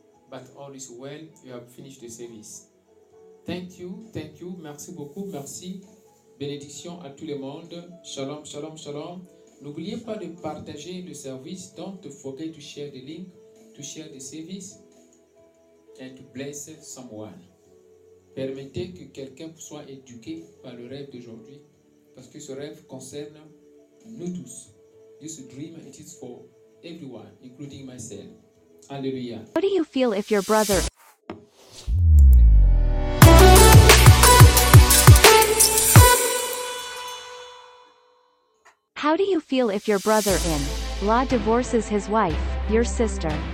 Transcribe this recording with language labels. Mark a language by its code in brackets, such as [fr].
[en] but all is well. You have finished the service. Thank you. [fr] Merci beaucoup. Merci. Bénédiction à tout le monde. Shalom. N'oubliez pas de partager le service. [en] Don't forget to share the link, to share the service, and to bless someone. [fr] Permettez que quelqu'un soit éduqué par le rêve d'aujourd'hui, parce que ce rêve concerne nous tous. [en] This dream, it is for everyone, including myself. Alléluia. What do you feel if your brother... How do you feel if your brother-in-law divorces his wife, your sister?